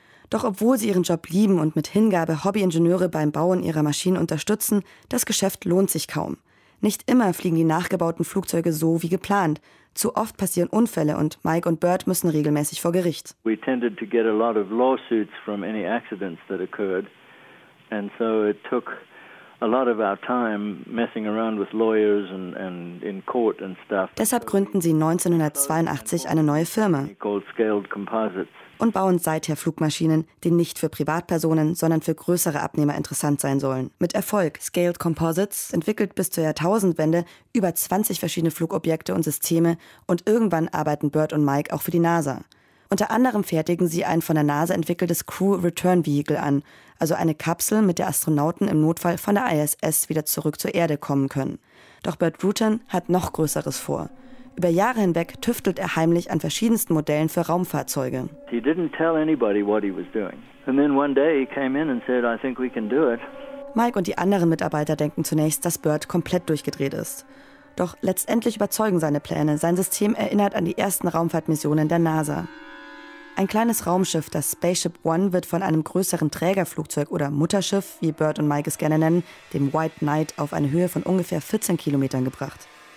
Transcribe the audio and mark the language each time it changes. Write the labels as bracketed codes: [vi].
[de] Doch obwohl sie ihren Job lieben und mit Hingabe Hobbyingenieure beim Bauen ihrer Maschinen unterstützen, das Geschäft lohnt sich kaum. Nicht immer fliegen die nachgebauten Flugzeuge so wie geplant. Zu oft passieren Unfälle und Mike und Bert müssen regelmäßig vor Gericht. [en] We tended to get a lot of lawsuits from any accidents that occurred. And so it took a lot of our time messing around with lawyers and in court and stuff. [de] Deshalb gründen sie 1982 eine neue Firma [en] called Scaled Composites [de] und bauen seither Flugmaschinen, die nicht für Privatpersonen, sondern für größere Abnehmer interessant sein sollen. Mit Erfolg. Scaled Composites entwickelt bis zur Jahrtausendwende über 20 verschiedene Flugobjekte und Systeme und irgendwann arbeiten Bert und Mike auch für die NASA. Unter anderem fertigen sie ein von der NASA entwickeltes Crew Return Vehicle an, also eine Kapsel, mit der Astronauten im Notfall von der ISS wieder zurück zur Erde kommen können. Doch Bert Rutan hat noch Größeres vor. Über Jahre hinweg tüftelt er heimlich an verschiedensten Modellen für Raumfahrzeuge. [en] He didn't tell anybody what he was doing. And then one day he came in and said, I think we can do it. [de] Mike und die anderen Mitarbeiter denken zunächst, dass Bert komplett durchgedreht ist. Doch letztendlich überzeugen seine Pläne. Sein System erinnert an die ersten Raumfahrtmissionen der NASA. Ein kleines Raumschiff, das Spaceship One, wird von einem größeren Trägerflugzeug oder Mutterschiff, wie Bert und Mike es gerne nennen, dem White Knight, auf eine Höhe von ungefähr 14 Kilometern gebracht.